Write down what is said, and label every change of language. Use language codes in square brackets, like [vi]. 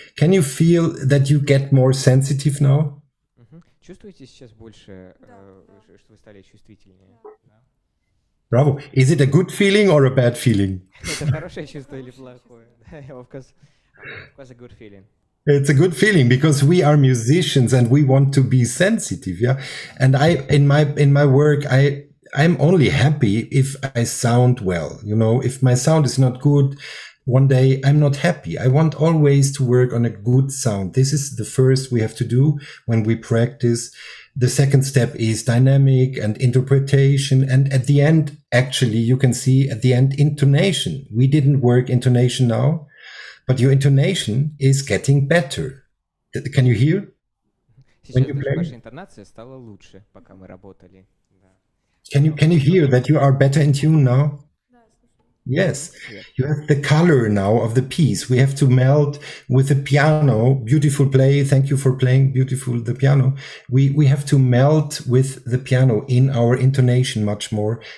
[en] Can you feel that you get more sensitive now? [ru] Чувствуете сейчас больше, что вы стали чувствительнее? [en] Bravo. Is it a good feeling or a bad feeling? It's a good feeling because we are musicians and we want to be sensitive. Yeah. And I, in my work, I'm only happy if I sound well, you know, if my sound is not good one day, I'm not happy. I want always to work on a good sound. This is the first we have to do when we practice. The second step is dynamic and interpretation. And at the end, actually, you can see at the end, intonation. We didn't work intonation now, but your intonation is getting better. Can you hear? When you play? [ru] Ваша интонация стала лучше, пока мы работали. [en] Can you hear that you are better in tune now? Yes, you have the color now of the piece. We have to melt with the piano. Beautiful play. Thank you for playing beautiful the piano. We have to melt with the piano in our intonation much more.